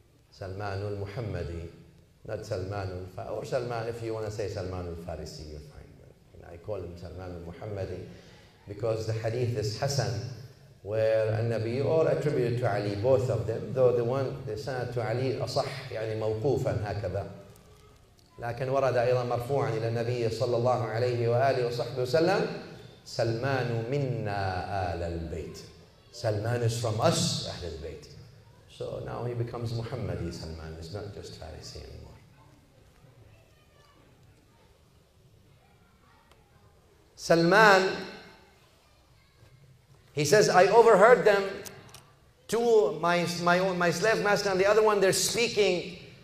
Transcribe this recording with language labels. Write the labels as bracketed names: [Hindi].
[English] Salman al-Muhammadi. Not Salman al-Farisi. Or Salman, if you want to say Salman al-Farisi, you're fine. And I call him Salman al-Muhammadi because the hadith is Hassan, where al-Nabi, or attributed to Ali, both of them, though the one, the sanad to Ali, asah, [Arabic] yani mawqufan, hakada. لكن ورد أيضا مرفوعا إلى النبي صلى الله عليه وآله وصحبه وسلم سلمان منا آل البيت. [English] Salman is from us, أهل البيت. So now he becomes Muhammadi Salman. It's not just Farisi anymore. Salman, he says, I overheard them, two, my slave master and the other one, they're speaking.